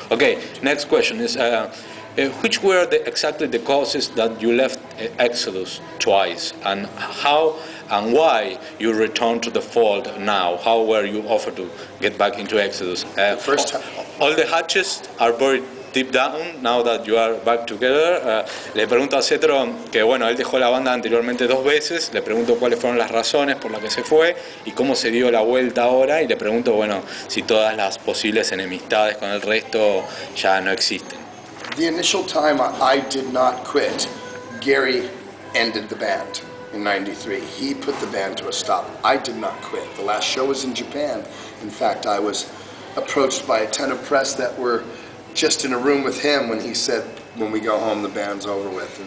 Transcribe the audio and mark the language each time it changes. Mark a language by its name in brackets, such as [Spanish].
[English] Okay, next question is, which were the, exactly the causes that you left Exodus twice, and how and why you returned to the fold now? How were you offered to get back into Exodus? First, all the hatches are buried deep down now that you are back together. [Spanish] Le pregunto a Cetro que bueno, él dejó la banda anteriormente dos veces. Le pregunto cuáles fueron las razones por las que se fue y cómo se dio la vuelta ahora. Y le pregunto bueno, si todas las posibles enemistades con el resto ya no existen. [English] The initial time I did not quit, Gary ended the band in 93. He put the band to a stop. I did not quit. The last show was in Japan. In fact, I was approached by a ton of press that were just in a room with him when he said, when we go home, the band's over with.